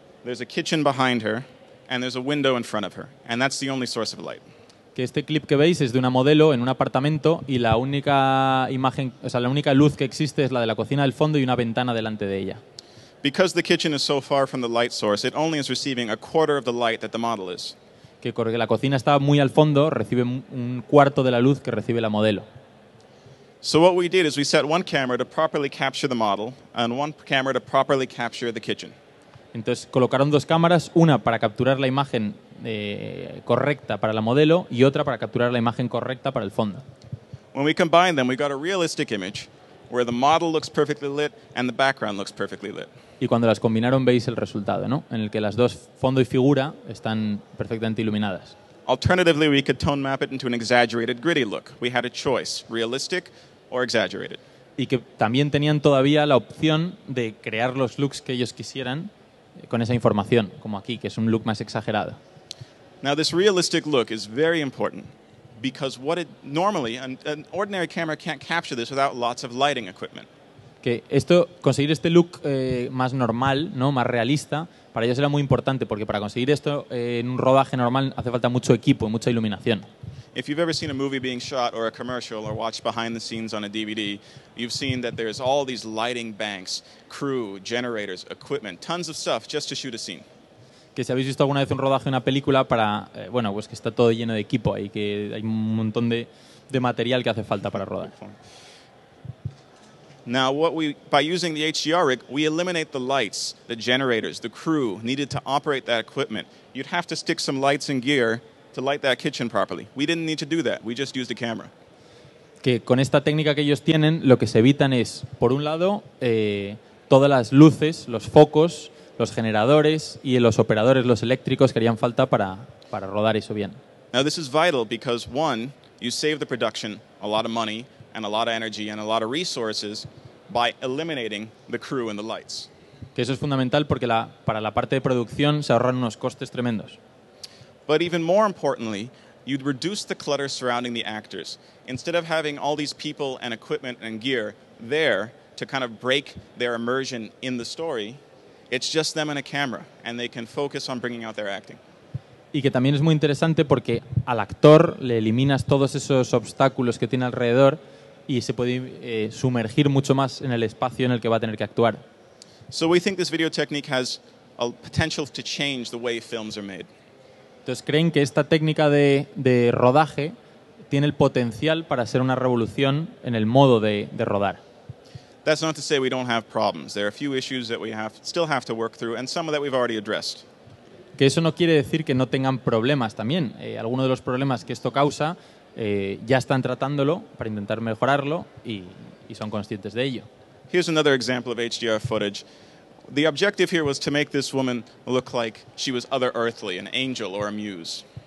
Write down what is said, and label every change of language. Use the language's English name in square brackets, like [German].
[English] There's a kitchen behind her, and there's a window in front of her, and that's the only source of light. [Spanish] Que este clip que veis es de una modelo en un apartamento y la única imagen, o sea, la única luz que existe es la de la cocina del fondo y una ventana delante de ella. [English] Because the kitchen is so far from the light source, it only is receiving a quarter of the light that the model is. [Spanish] Que porque la cocina está muy al fondo, recibe un cuarto de la luz que recibe la modelo. [English] So what we did is we set one camera to properly capture the model and one camera to properly capture the kitchen. [Spanish] Entonces colocaron dos cámaras, una para capturar la imagen correcta para la modelo y otra para capturar la imagen correcta para el fondo. [English] When we combined them, we got a realistic image where the model looks perfectly lit and the background looks perfectly lit. [Spanish] Y cuando las combinaron veis el resultado, ¿no? En el que las dos, fondo y figura, están perfectamente iluminadas. [English] Alternatively, we could tone map it into an exaggerated, gritty look. We had a choice, realistic or exaggerated. [Spanish] Y que también tenían todavía la opción de crear los looks que ellos quisieran con esa información, como aquí, que es un look más exagerado. [English] Now, this realistic look is very important because what it normally, an ordinary camera can't capture this without lots of lighting equipment. [Spanish] Que esto, conseguir este look más normal, ¿no? Más realista, para ellos era muy importante porque para conseguir esto en un rodaje normal hace falta mucho equipo y mucha iluminación. [English] If you've ever seen a movie being shot or a commercial or watched behind the scenes on a DVD, you've seen that there's all these lighting banks, crew, generators, equipment, tons of stuff just to shoot a scene. [Spanish] Que si habéis visto alguna vez un rodaje de una película para, bueno, pues que está todo lleno de equipo ahí, que hay un montón de material que hace falta para rodar. [English] Now, by using the HDR rig, we eliminate the lights, the generators, the crew needed to operate that equipment. You'd have to stick some lights and gear to light that kitchen properly. We didn't need to do that. We just used a camera. [Spanish] Que con esta técnica que ellos tienen, lo que se evitan es, por un lado, todas las luces, los focos, los generadores y los operadores, los eléctricos, que harían falta para rodar eso bien. [English] Now, this is vital because, one, you save the production a lot of money and a lot of energy and a lot of resources by eliminating the crew and the lights. [Spanish] Que eso es fundamental porque para la parte de producción se ahorran unos costes tremendos. [English] But even more importantly, you'd reduce the clutter surrounding the actors. Instead of having all these people and equipment and gear there to kind of break their immersion in the story, it's just them and a camera, and they can focus on bringing out their acting. [Spanish] Y que también es muy interesante porque al actor le eliminas todos esos obstáculos que tiene alrededor y se puede sumergir mucho más en el espacio en el que va a tener que actuar. [English] So we think this video technique has a potential to change the way films are made. [Spanish] Entonces creen que esta técnica de rodaje tiene el potencial para ser una revolución en el modo de rodar. [English] That's not to say we don't have problems. There are a few issues that we have still have to work through, and some of that we've already addressed. [Spanish] Que eso no quiere decir que no tengan problemas también. Algunos de los problemas que esto causa ya están tratándolo para intentar mejorarlo y son conscientes de ello. [English] Here's another example of HDR footage. The objective here was to make this woman look like she was other earthly, an angel or a muse.